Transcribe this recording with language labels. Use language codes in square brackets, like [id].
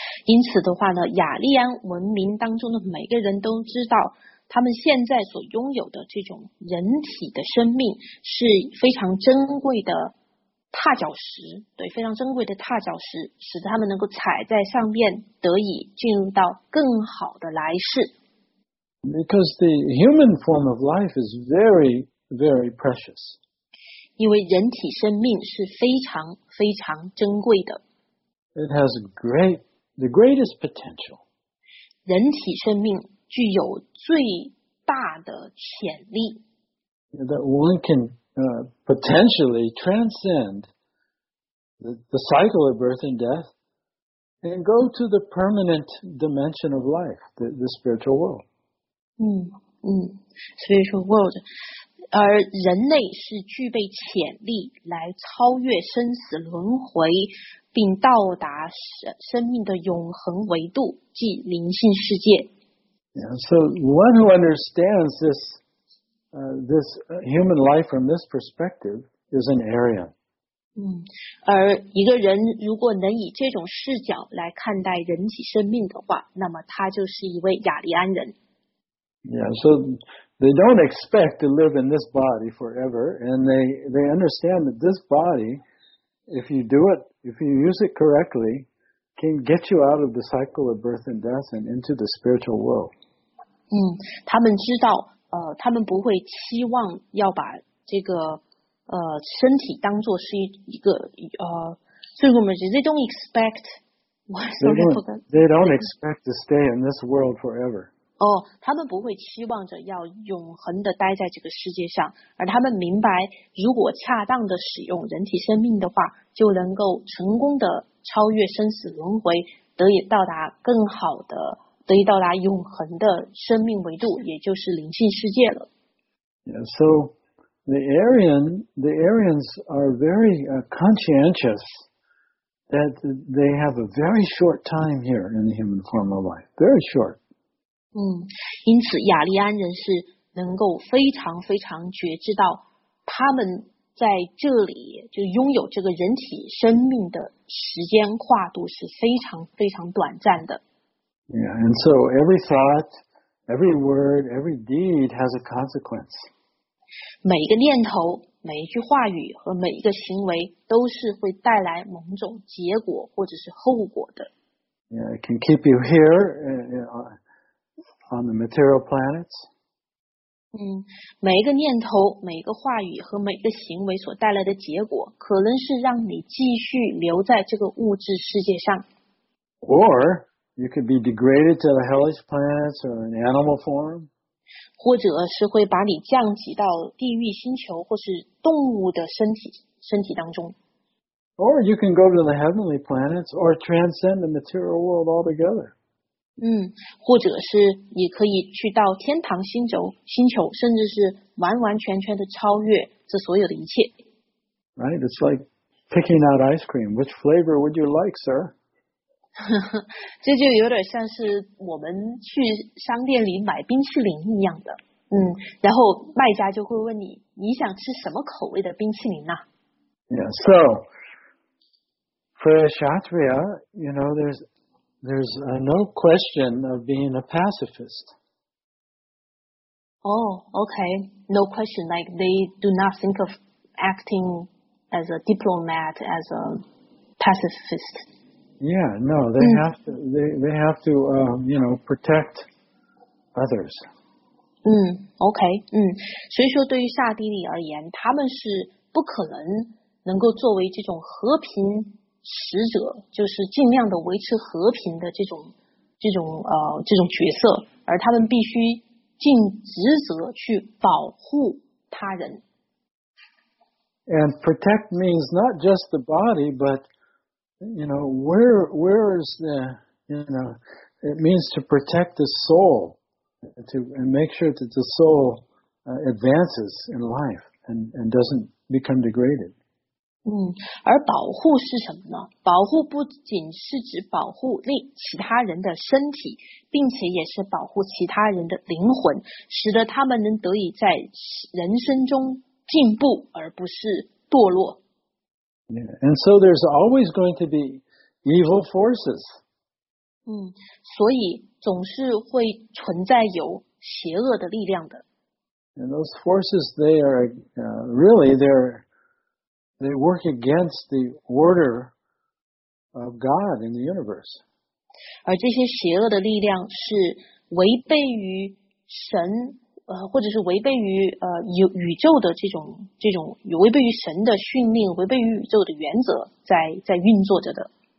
[zh] 因此的话呢，雅利安文明当中的每个人都知道，他们现在所拥有的这种人体的生命是非常珍贵的踏脚石，对，非常珍贵的踏脚石，使他们能够踩在上面，得以进入到更好的来世。 [en] Because the human form of life is very, very precious. [zh] 因为人体生命是非常非常珍贵的。 [en] It has the greatest potential. [zh] 人体生命具有最大的潜力。 [en] That one can potentially transcend the cycle of birth and death and go to the permanent dimension of life, the spiritual world. Spiritual world. [zh] 而人类是具备潜力来超越生死轮回，并到达生命的永恒维度，即灵性世界。 [en] Yeah, so one who understands this human life from this perspective is an Arya. [zh] 而一个人如果能以这种视角来看待人体生命的话，那么他就是一位雅利安人。 [en] Yeah, so they don't expect to live in this body forever, and they understand that this body, if you use it correctly, can get you out of the cycle of birth and death and into the spiritual world. [zh] 他们知道，他们不会期望要把这个身体当作是一个罪过吗？ [en] They don't expect They don't expect to stay in this world forever. [zh] 哦，他们不会期望着要永恒的待在这个世界上，而他们明白，如果恰当的使用人体生命的话，就能够成功的超越生死轮回，得以到达更好的，得以到达永恒的生命维度，也就是灵性世界了。 [en] Yeah, so the Aryans are very conscientious that they have a very short time here in the human form of life, very short. [zh] 因此雅利安人是能够非常非常觉知到他们在这里就拥有这个人体生命的时间跨度是非常非常短暂的。 [en] Yeah, and so every thought, every word, every deed has a consequence. [zh] 每一个念头、每一句话语和每一个行为都是会带来某种结果或者是后果的。 [en] Yeah, it can keep you here, on the material planets. [zh] 每一个念头、每一个话语和每一个行为所带来的结果，可能是让你继续留在这个物质世界上。 [en] Or you could be degraded to the hellish planets or an animal form. [zh] 或者是会把你降级到地狱星球或是动物的身体当中。 [en] Or you can go to the heavenly planets or transcend the material world altogether. [zh] 或者是你可以去到天堂星球，甚至是完完全全的超越这所有的一切。 [en] Right, it's like picking out ice cream. Which flavor would you like, sir? [zh] 这就有点像是我们去商店里买冰淇淋一样的。然后卖家就会问你，你想吃什么口味的冰淇淋呢？ [en] Yeah, so for a Kshatriya, you know, there's no question of being a pacifist. Oh, okay. No question. Like, they do not think of acting as a diplomat, as a pacifist. Yeah, no. They have to protect others. Okay. [zh] 所以说对于夏地利而言，他们是不可能能够作为这种和平使者，就是尽量的维持和平的这种角色，而他们必须尽职责去保护他人。 [en] And protect means not just the body, but you know where is the you know it means to protect the soul to and make sure that the soul advances in life and doesn't become degraded. [zh] 而保护是什么呢？保护不仅是指保护其他人的身体，并且也是保护其他人的灵魂，使得他们能得以在人生中进步，而不是堕落。 [en] Yeah, and so there's always going to be evil forces. [zh] 所以总是会存在有邪恶的力量的。 [en] And those forces, they are, really, they work against the order of God in the universe. [zh] 而这些邪恶的力量是违背于神，或者是违背于宇宙的这种违背于神的训令，违背于宇宙的原则，在运作着的。